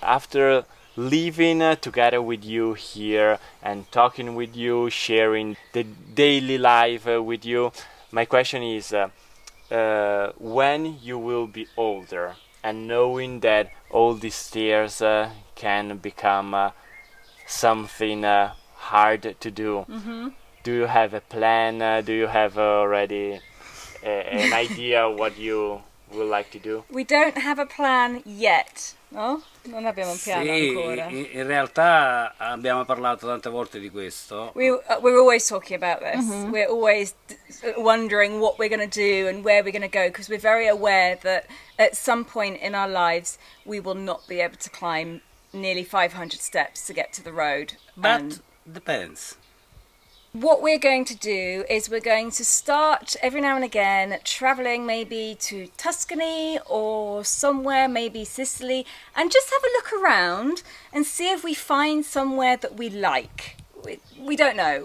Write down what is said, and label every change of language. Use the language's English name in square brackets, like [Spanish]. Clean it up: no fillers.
[English] After living together with you here and talking with you, sharing the daily life with you, my question is, when you will be older, and knowing that all these stairs can become something hard to do. Mm-hmm. Do you have a plan? Do you have already an idea what you would like to do? We don't have a plan yet, no? [Italian] Non abbiamo un piano sì, ancora. In realtà abbiamo parlato tante volte di questo. [English] We're always talking about this. Mm-hmm. We're always wondering what we're going to do and where we're going to go, because we're very aware that at some point in our lives we will not be able to climb nearly 500 steps to get to the road. But depends. What we're going to do is we're going to start every now and again traveling maybe to Tuscany or somewhere, maybe Sicily, and just have a look around and see if we find somewhere that we like. We don't know.